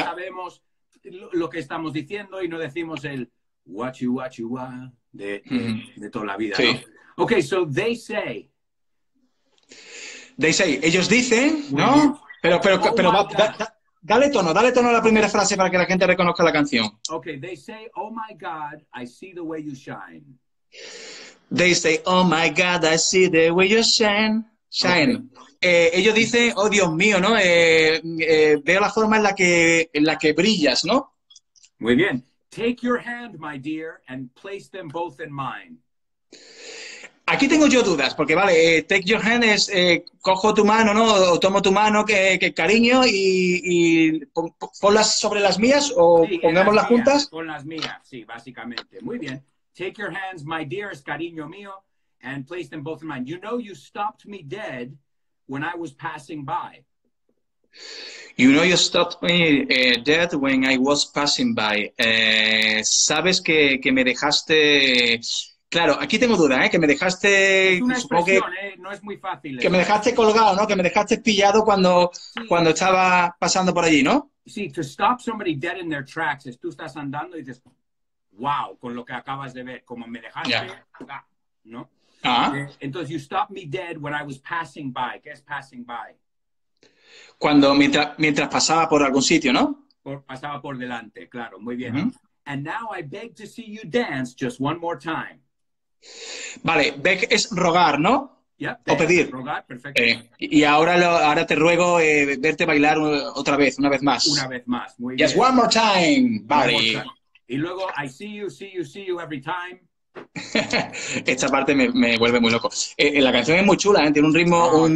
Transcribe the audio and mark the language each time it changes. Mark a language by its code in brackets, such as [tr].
[es] Ya sabemos lo que estamos diciendo y no decimos el wachi wachi wa de toda la vida, sí. ¿No? [en] Ok, so they say. They say, [es] ellos dicen, ¿no? Pero oh, Dale tono a la primera frase para que la gente reconozca la canción. [en] Okay, they say, oh my God, I see the way you shine. They say, oh my God, I see the way you shine. Shine. Okay. [es] Ellos dicen, oh Dios mío, ¿no? Veo la forma en la que brillas, ¿no? Muy bien. [en] Take your hand, my dear, and place them both in mine. [es] Aquí tengo yo dudas, porque vale, [en] take your hand [es] es cojo tu mano, ¿no? O tomo tu mano, que cariño, y ponlas sobre las mías o sí, pongámoslas las juntas. Con las mías, sí, básicamente. Muy bien. [en] Take your hands, my dearest, [es] cariño mío, [en] and place them both in mine. You know you stopped me dead when I was passing by. You know you stopped me dead when I was passing by. [es] Sabes que me dejaste... Claro, aquí tengo duda, ¿eh? Que me dejaste... Es una expresión, que, no es muy fácil. Que me dejaste colgado, ¿no? Que me dejaste pillado cuando, sí. Cuando estaba pasando por allí, ¿no? [en] Sí, to stop somebody dead in their tracks. [es] Es tú estás andando y dices, wow, con lo que acabas de ver, como me dejaste, [en] yeah. [es] ¿No? Ah. Entonces, [en] you stopped me dead when I was passing by. [es] ¿Qué es passing by? Cuando, mientras pasaba por algún sitio, ¿no? Pasaba por delante, claro, muy bien. Uh-huh. [en] And now I beg to see you dance just one more time. [es] Vale, beg es rogar, ¿no? [en] Yeah, [es] o pedir. Rogar, perfecto. Y ahora te ruego verte bailar otra vez, una vez más. Una vez más, muy [en] yes, [es] bien. [en] Yes, one more time, buddy. [es] Y luego, [en] I see you every time. [es] Esta parte me vuelve muy loco. La canción es muy chula, ¿eh? Tiene un ritmo,